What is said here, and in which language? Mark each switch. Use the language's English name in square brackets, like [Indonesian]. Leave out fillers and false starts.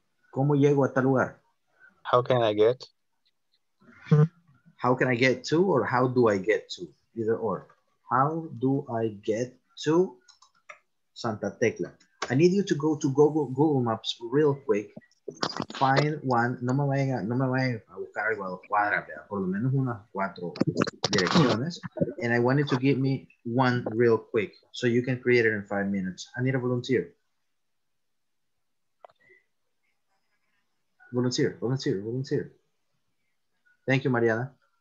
[Spanish] ¿Cómo llego a tal lugar? [English] How can I get? How can I get to, or how do I get to? Either or. How do I get to Santa Tecla? I need you to go to Google Maps real quick. Find one. [Spanish] No me vayan a buscar igual cuadra, ¿verdad? Por lo menos unas cuatro direcciones. [English] And I wanted to give me one real quick so you can create it in 5 minutes. I need a volunteer. Volunteer, volunteer, volunteer. Thank you, Mariana.